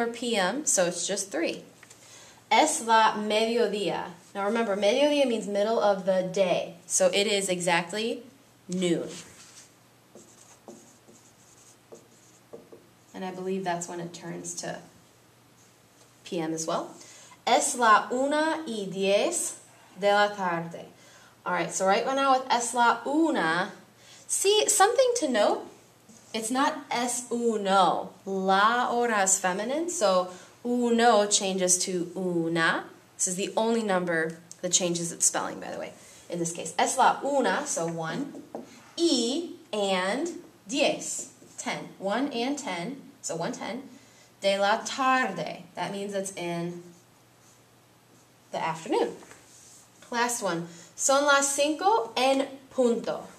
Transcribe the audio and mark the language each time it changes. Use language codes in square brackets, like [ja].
[en] or p.m., so it's just three. [es] Es la mediodía. [en] Now remember, mediodía means middle of the day, so it is exactly noon. And I believe that's when it turns to p.m. as well. [es] Es la una y diez de la tarde. [en] All right, so right now with [es] es la una, [en] see, something to note, it's not es uno. La hora is feminine, so uno changes to una. This is the only number that changes its spelling, by the way, in this case. [es] Es la una, [en] so one, y and diez, ten. One and ten, so 1:10. [es] De la tarde, [en] that means it's in the afternoon. Last one, [es] son las cinco en punto.